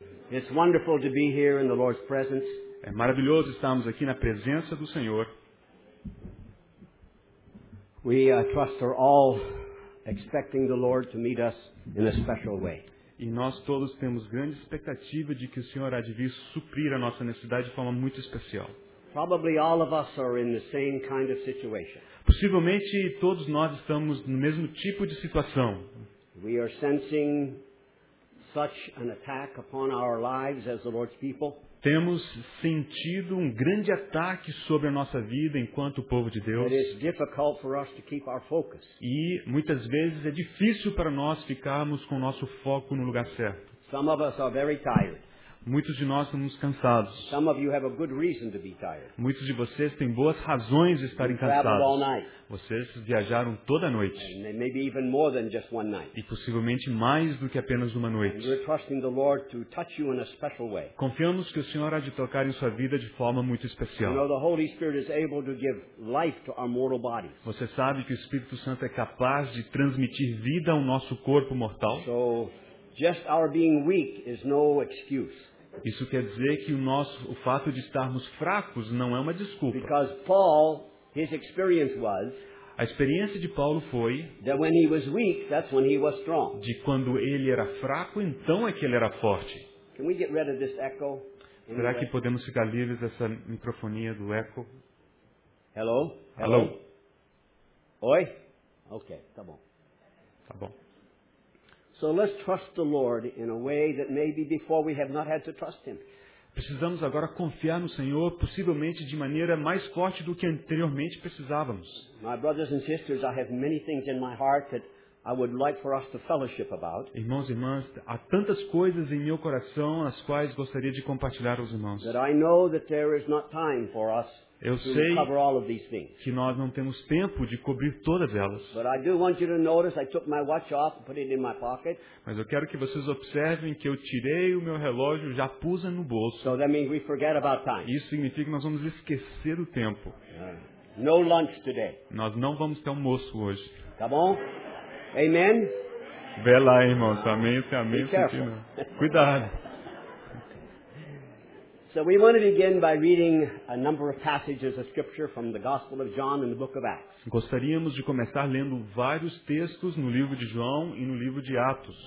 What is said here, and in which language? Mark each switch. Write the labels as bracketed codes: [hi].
[en] It's wonderful to be here in the Lord's presence. [pt] É maravilhoso estarmos aqui na presença do Senhor. [en] We trust are all expecting the Lord to meet us in a special way. [pt] E nós todos temos grande expectativa de que o Senhor há de vir suprir a nossa necessidade de forma muito especial. [en] Probably all of us are in the same kind of situation. [pt] Possivelmente todos nós estamos no mesmo tipo de situação. [en] We are sensing such an attack upon our lives as the Lord's people. [pt] Temos sentido um grande ataque sobre a nossa vida enquanto povo de Deus. [en] It is difficult for us to keep our focus. [pt] E muitas vezes é difícil para nós ficarmos com o nosso foco no lugar certo. [en] Some of us are very tired. [pt] Muitos de nós estamos cansados. [en] Some of you have a good reason to be tired. [pt] Muitos de vocês têm boas razões de estarem cansados. [en] All night. [pt] Vocês viajaram toda a noite. [en] And maybe even more than just one night. [pt] E possivelmente mais do que apenas uma noite. [en] And we're trusting the Lord to touch you in a special way. [pt] Confiamos que o Senhor há de tocar em sua vida de forma muito especial. [en] You know, the Holy Spirit is able to give life to our mortal bodies. [pt] Você sabe que o Espírito Santo é capaz de transmitir vida ao nosso corpo mortal. [en] So, just our being weak is no excuse. [pt] Isso quer dizer que o fato de estarmos fracos não é uma desculpa. [en] Because Paul, his experience was, [pt] a experiência de Paulo foi [en] that when he was weak, that's when he was strong. [pt] De quando ele era fraco, então é que ele era forte. [en] Can we get rid of this echo? [pt] Será que podemos ficar livres dessa microfonia do eco? [en] Hello? Hello? [pt] Oi? Ok, tá bom. Tá bom. [en] So let's trust the Lord in a way that maybe before we have not had to trust Him. [pt] Precisamos agora confiar no Senhor, possivelmente de maneira mais forte do que anteriormente precisávamos. [en] My brothers and sisters, I have many things in my heart that I would like for us to fellowship about. [pt] Irmãos e irmãs, há tantas coisas em meu coração as quais gostaria de compartilhar com os irmãos. [en] That I know that there is not time for us. [pt] Eu sei que nós não temos tempo de cobrir todas elas. Mas eu quero que vocês observem que eu tirei o meu relógio, já pus no bolso. [en] So that means we forget about time. [pt] Isso significa que nós vamos esquecer o tempo. [en] No lunch today. [pt] Nós não vamos ter almoço hoje. Tá bom? Amém? Vê lá, irmãos. Amém, amém. Cuidado. [en] So we want to begin by reading a number of passages of scripture from the Gospel of John and the Book of Acts. [pt] Gostaríamos de começar lendo vários textos no livro de João e no livro de Atos.